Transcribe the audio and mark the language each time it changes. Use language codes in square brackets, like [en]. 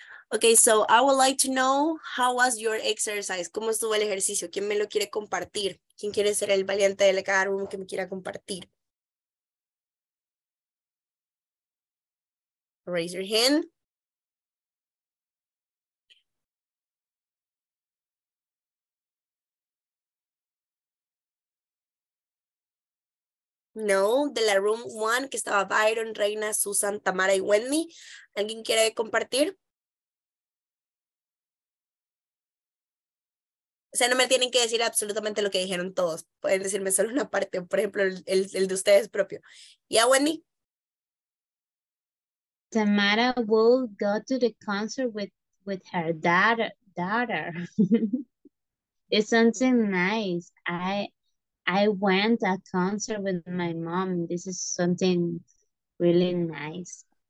[en] Okay, so I would like to know, how was your exercise? [es] ¿Cómo estuvo el ejercicio? ¿Quién me lo quiere compartir? ¿Quién quiere ser el valiente de cada uno que me quiera compartir? [en] Raise your hand. [es] No, de la room one, que estaba Byron, Reina, Susan, Tamara y Wendy. ¿Alguien quiere compartir? O sea, no me tienen que decir absolutamente lo que dijeron todos. Pueden decirme solo una parte, por ejemplo, el de ustedes propio. ¿Ya, Wendy? [en] Tamara will go to the concert with her daughter. It's something nice. I went to a concert with my mom. This is something really nice.